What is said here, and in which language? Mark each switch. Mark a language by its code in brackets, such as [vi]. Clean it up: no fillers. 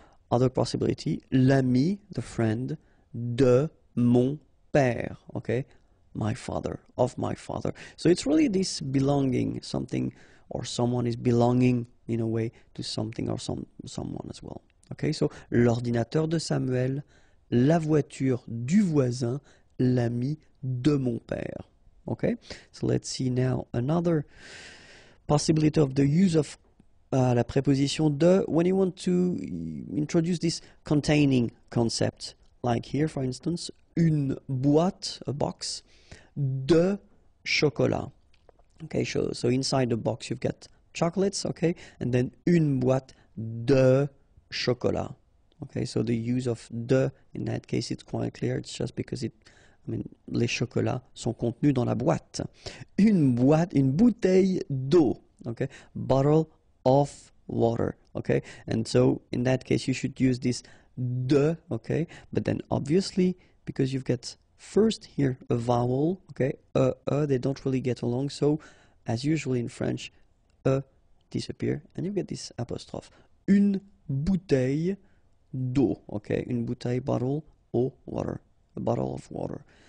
[en] Other possibility, [fr] l'ami, [en] the friend, [fr] de mon père, [en] okay, my father, of my father. So it's really this belonging, something or someone is belonging in a way to something or someone as well. Okay, so [fr] l'ordinateur de Samuel, la voiture du voisin, l'ami de mon père. [en] Okay? So let's see now another possibility of the use of [fr] la préposition de [en] when you want to introduce this containing concept. Like here, for instance, [fr] une boîte, [en] a box, [fr] de chocolat. [en] Okay, so inside the box you've got chocolates, okay, and then [fr] une boîte de chocolat. [en] Okay, so the use of de in that case it's quite clear. It's just because [fr] les chocolats sont contenus dans la boîte. Une boîte, une bouteille d'eau. [en] Okay, bottle of water. Okay, and so in that case you should use this de. Okay, but then obviously because you've got first here a vowel. Okay, they don't really get along. So as usual in French, disappear, and you get this apostrophe. [fr] Une bouteille d'eau, [en] okay, [fr] une bouteille, [en] bottle, eau, water, a bottle of water.